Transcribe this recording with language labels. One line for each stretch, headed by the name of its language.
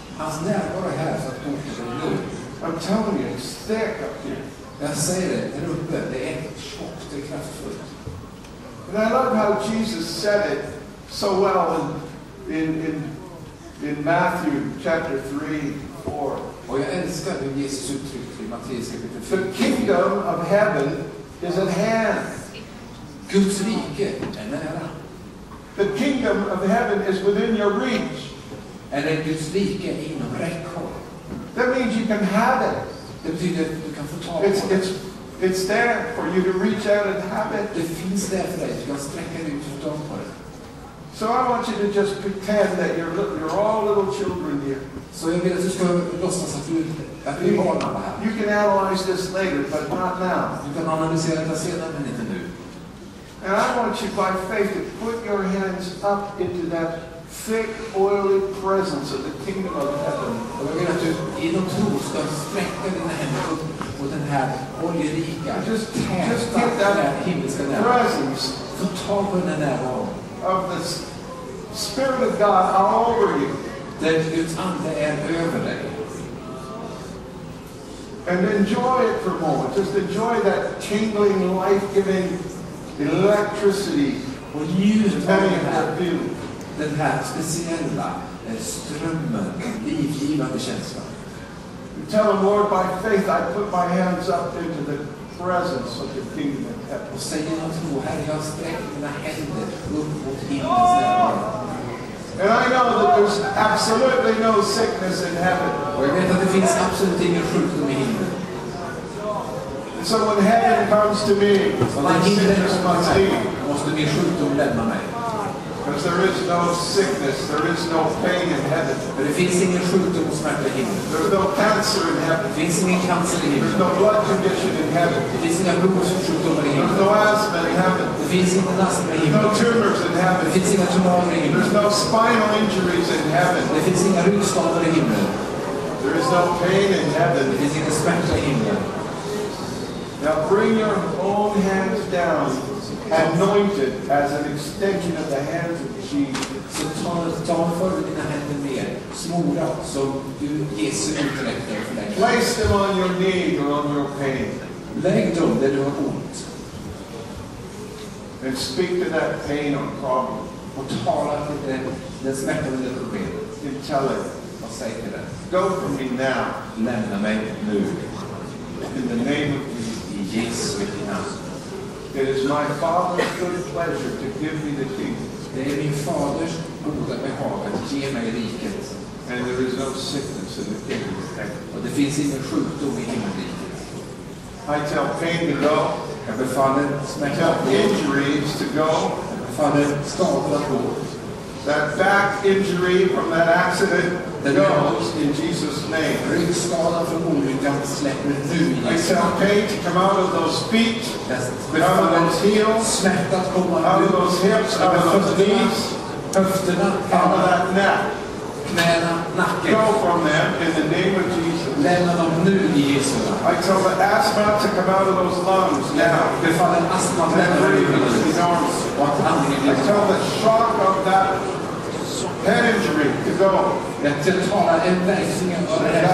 English: Has never had a comfortable look. I'm telling you, it's thick up here. Now say that, then it'll be the end of shock to cut foot. And I love how Jesus said it so well in Matthew chapter 3 and 4.
Swedish: Och jag älskar hur Jesus uttryckte i Matteus kapitel
English: 4. The kingdom of heaven is at hand.
Swedish: Guds rike är nära.
English: The kingdom of heaven is within your reach. And then
Swedish: Guds rike är inom räckhåll.
English: That means you can have it.
Swedish: Det betyder att du kan få tag på det.
English: It's there for you to reach out and have it.
Swedish: Det finns där för dig. Du kan sträcka dig ut och ta på det.
English: So I want you to just pretend that you're all little children here.
Swedish: Så jag vill att du ska låtsas att vi är barn här.
English: You can analyze this later, but not now.
Swedish: Du kan analysera det senare, men inte nu.
English: And I want you by faith to put your hands up into that thick, oily presence of the kingdom of heaven.
Swedish: Och jag vill att du inom tro ska sträcka dina händer upp mot den här oljerika.
English: Just get that
Swedish: himmelska
English: presence.
Swedish: Få tag på den där oljan.
English: Of the Spirit of God all over you.
Swedish: Den Guds ande är över dig.
English: And enjoy it for a moment. Just enjoy that tingling, life-giving electricity.
Swedish: Och njut av den här bilden. Den här speciella strömmen, livgivande känslan.
English: Tell the Lord by faith, I put my hands up into the presence of the kingdom of heaven.
Swedish: Och säg genom tro, Herre, jag sträcker mina händer upp mot himlens närvaro.
English: And I know that there's absolutely no sickness in heaven.
Swedish: Och jag vet att det finns absolut ingen sjukdom i himlen.
English: So when heaven comes to me, my sickness must leave.
Swedish: Måste min sjukdom lämna mig.
English: Because there is no sickness, there is no pain in heaven.
Swedish: Men det finns ingen sjukdom och smärta i himlen.
English: There's no cancer in heaven.
Swedish: Det finns ingen cancer i himlen.
English: There's no blood condition in heaven.
Swedish: Det finns inga lungsjukdomar i himlen.
English: There's no asthma in heaven.
Swedish: Det finns ingen astma i himlen.
English: No tumors in heaven.
Swedish: Det finns inga tumörer i himlen.
English: There's no spinal injuries in heaven.
Swedish: Det finns inga ryggskador i himlen.
English: There is no pain in heaven.
Swedish: Det finns ingen smärta i himlen.
English: Now bring your own hands down. Anointed as an extension of the hands of Jesus.
Swedish: Så ta för dina händer ner. Smorda som du Jesu uträckte för dig.
English: Place them on your knee or on your pain.
Swedish: Lägg dem där du har ont.
English: And speak to that pain or problem.
Swedish: Och tala till den smärta eller problem.
English: And tell it.
Swedish: Och säg till den.
English: Go from me now.
Swedish: Lämna mig nu.
English: In the name of Jesus.
Swedish: Jesu namn.
English: It is my Father's good pleasure to give me the kingdom.
Swedish: Det är min faders goda behag att ge mig riket.
English: And there is no sickness in the kingdom.
Swedish: Och det finns ingen sjukdom i himmelriket.
English: I tell pain to go.
Swedish: Jag befaller smärta.
English: I tell injuries to go.
Swedish: Jag befaller skador att gå.
English: That back injury from that accident goes in Jesus' name.
Swedish: Bring skada från olyckan, släpp den nu.
English: I tell pain to come out of those feet, out of those heels, out of those hips, out of those knees,
Swedish: höfterna,
English: out of that neck.
Swedish: Knäna, nacken.
English: Go from them in the name of Jesus.
Swedish: Lämna dem nu i Jesu namn.
English: I tell the asthma to come out of those lungs now.
Swedish: Befaller astma lämna dem i Jesu namn.
English: I tell the shock of that head injury to go.
Swedish: Jag talar en läsning av den här